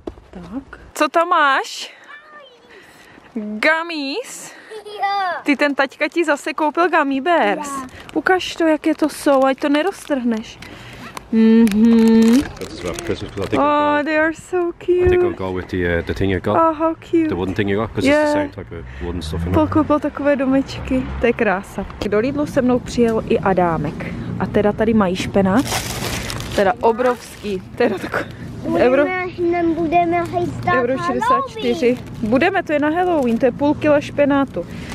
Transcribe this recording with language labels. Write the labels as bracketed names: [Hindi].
[Czech] Tak. Co tam máš? Gummies. [English] Gummies? [Czech] Ty ten taťka ti zase koupil gummy bears. Ukaž to, jaké to jsou, ať to neroztrhneš. Mm-hmm. [English] Oh, they are so cute. I think I'll go with the thing you got. Oh, how cute. The wooden thing you got, because it's the same type of wooden stuff. [Czech] Pokoupil takové domečky, to je krása. Do Lidlu se mnou přijel i Adámek. A teda tady mají špenát. Teda obrovský. Teda takový euro... Nebudeme chystat euro 64. Halloween. Budeme, to je na Halloween, to je půl kila špenátu.